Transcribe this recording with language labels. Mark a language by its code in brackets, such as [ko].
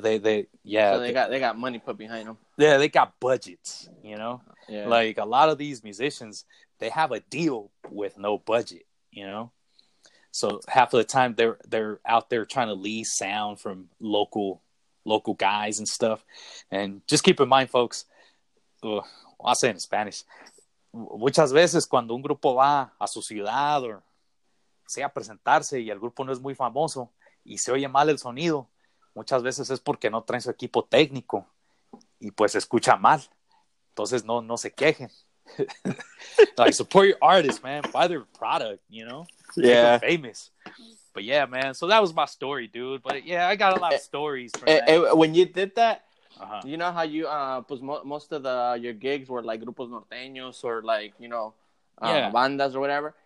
[en] So they got money put behind them. Yeah, they got budgets. You know. Yeah. Like a lot of these musicians, they have a deal with no budget, you know. So half of the time they're out there trying to lease sound from local local guys and stuff. And just keep in mind, folks, I'll say in Spanish, [es] muchas veces cuando un grupo va a su ciudad o sea presentarse y el grupo no es muy famoso y se oye mal el sonido, muchas veces es porque no traen su equipo técnico y pues escucha mal. Entonces no se quejen. [en] Like, support your artists, man. Buy their product, you know? Yeah. Make them famous. But yeah, man. So that was my story, dude. But yeah, I got a lot of stories. When you did that, you know how you, most of your gigs were like [es] grupos norteños [en] or like, you know, bandas or whatever.